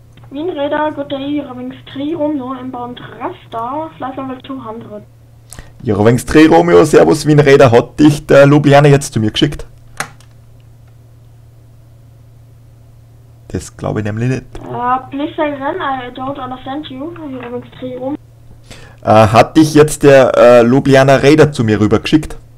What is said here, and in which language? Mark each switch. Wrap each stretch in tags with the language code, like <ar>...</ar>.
<en>Wien-Räder, good day, Eurowings 3 Romeo, inbound Raster, Flight Level 200.</en> <de>Eurowings 3 Romeo, servus, Wien-Räder, hat dich der Ljubljana jetzt zu mir geschickt? Das glaube ich nämlich nicht.</de> <en>Please say then, I don't understand you, Eurowings 3 Romeo.</en> <de>Hat dich jetzt der Ljubljana Räder zu mir rüber geschickt?</de>